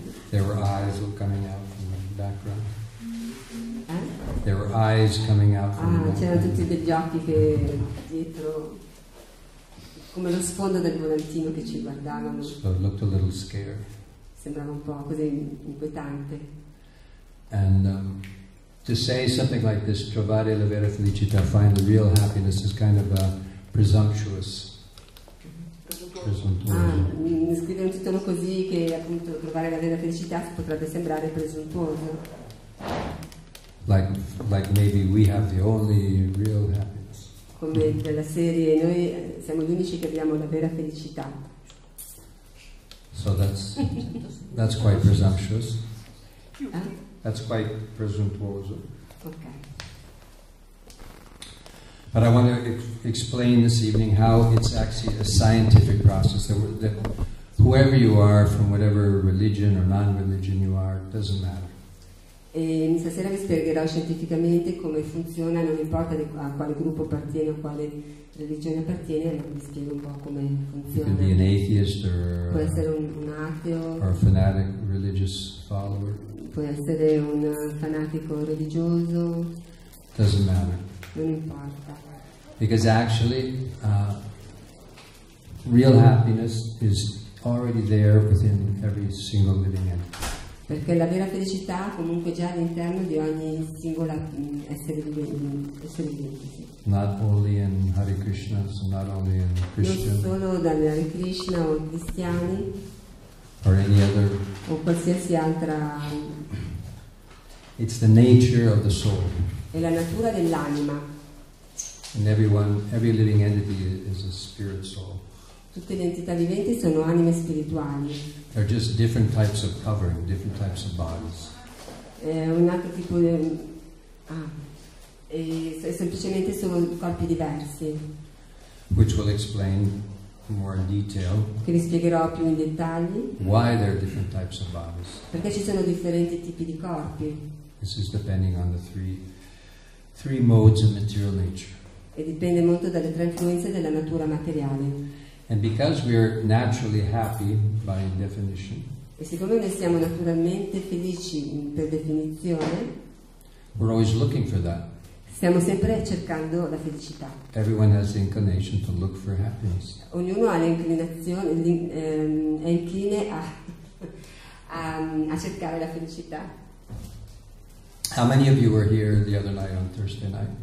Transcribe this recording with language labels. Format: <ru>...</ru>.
<en>There were eyes coming out from the background. There were eyes coming out from the background.</en> <it>C'erano tutti degli occhi che dietro, come lo sfondo del volantino, che ci guardavano.</it> <en>So it looked a little scary.</en> <it>Sembrava un po' così inquietante.</it> <en>And to say something like this,</en> <it>trovare la vera felicità,</it> <en>find the real happiness, is kind of a presumptuous.</en> <it>Presuntuoso. Scrivere un titolo così, che appunto trovare la vera felicità, potrebbe sembrare presuntuoso.</it> <en>Like maybe we have the only real happiness.</en> <it>Come della serie, noi siamo gli unici che abbiamo la vera felicità.</it> <en>So that's quite presumptuous. That's quite presuntuoso. Okay. But I want to explain this evening how it's actually a scientific process. That whoever you are, from whatever religion or non-religion you are, doesn't matter.</en> <it>E stasera vi spiegherò scientificamente come funziona, non importa a quale gruppo appartiene o a quale religione appartiene, vi spiego un po' come funziona. Può essere un ateo,</it> <en>or a fanatic religious follower.</en> <it>Può essere un fanatico religioso.</it> <en>Doesn't matter.</en> <it>Non importa.</it> <en>Because actually, real happiness is already there within every single living entity.</en> <it>Perché la vera felicità comunque già all'interno di ogni singola essere vivente.</it> <en>Not only in Hare Krishna, so not only in Christian.</en> <it>Non solo dalle Hare Krishna o cristiani.</it> <en>Or any other.</en> <it>O qualsiasi altra.</it> <en>It's the nature of the soul.</en> <it>È la natura dell'anima.</it> <en>And every living entity is a spirit soul.</en> <it>Tutte le entità viventi sono anime spirituali.</it> <en>They're just different types of covering, different types of bodies.</en> <it>Un altro tipo di semplicemente sono corpi diversi.</it> <en>Which will explain more in detail.</en> <it>Che vi spiegherò più in dettagli.</it> <en>Why there are different types of bodies?</en> <it>Perché ci sono differenti tipi di corpi.</it> <en>This is depending on the three modes of material nature.</en> <it>E dipende molto dalle tre influenze della natura materiale.</it> <en>And because we are naturally happy by definition,</en> <it>e siccome noi siamo naturalmente felici per definizione,</it> <en>we're always looking for that.</en> <it>Stiamo sempre cercando la felicità.</it> <en>Everyone has the inclination to look for happiness.</en> <it>Ognuno ha l'inclinazione, è incline a cercare la felicità.</it> <en>How many of you were here the other night on Thursday night?</en>